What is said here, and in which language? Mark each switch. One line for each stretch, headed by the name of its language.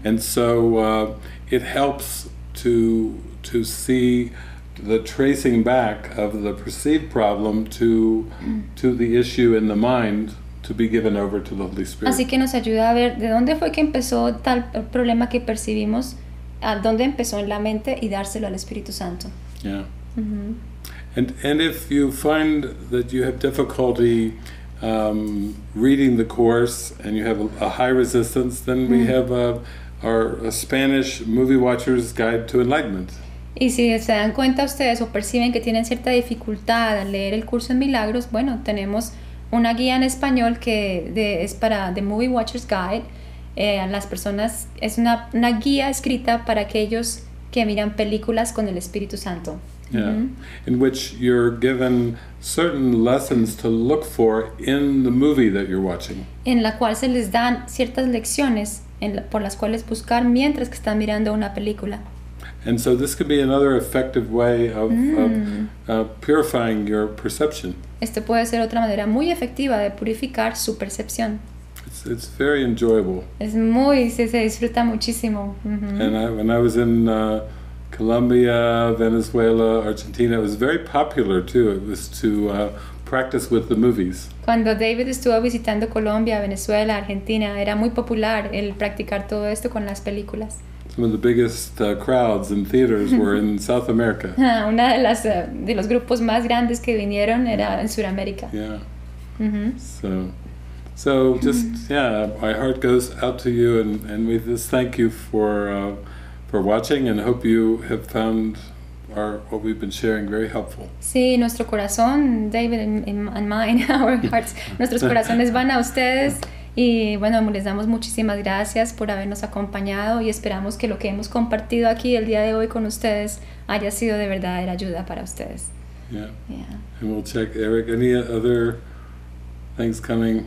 English: And so it helps to see the tracing back of the perceived problem to the issue in the mind, to be given over to the Holy Spirit.
Spanish: Así que nos ayuda a ver de dónde fue que empezó tal problema que percibimos, a dónde empezó en la mente, y dárselo al Espíritu Santo. Yeah. Mm-hmm.
English: And if you find that you have difficulty reading the course and you have a high resistance, then mm-hmm. we have our Spanish Movie Watcher's Guide to Enlightenment.
Spanish: Y si se dan cuenta ustedes o perciben que tienen cierta dificultad al leer el curso en milagros, bueno, tenemos una guía en español que es para The Movie Watcher's Guide. Las personas, es una guía escrita para aquellos que miran películas con el Espíritu Santo. Yeah, mm-hmm.
English: In which you're given certain lessons to look for in the movie that you're watching.
Spanish: En la cual se les dan ciertas lecciones por las cuales buscar mientras que están mirando una película.
English: And so this could be another effective way of, purifying your perception.
Spanish: Esto puede ser otra manera muy efectiva de purificar su percepción.
English: It's very enjoyable.
Spanish: Es muy, se disfruta muchísimo. Mm-hmm.
English: And when I was in Colombia, Venezuela, Argentina, it was very popular too. It was to practice with the movies.
Spanish: Cuando David estuvo visitando Colombia, Venezuela, Argentina, era muy popular el practicar todo esto con las películas.
English: Some of the biggest crowds and theaters were in South America.
Spanish: Una de las de los grupos más grandes que vinieron era en Sudamérica. Yeah. Mm-hmm.
English: So just my heart goes out to you, and we just thank you for watching, and hope you have found what we've been sharing very helpful.
Spanish: Sí, nuestro corazón, David,
English: and mine, our hearts,
Spanish: nuestros corazones van a ustedes. Y bueno, les damos muchísimas gracias por habernos acompañado y esperamos que lo que hemos compartido aquí el día de hoy con ustedes haya sido de verdadera ayuda para ustedes. Yeah.
English: Yeah. And we'll check, Eric, any other things coming?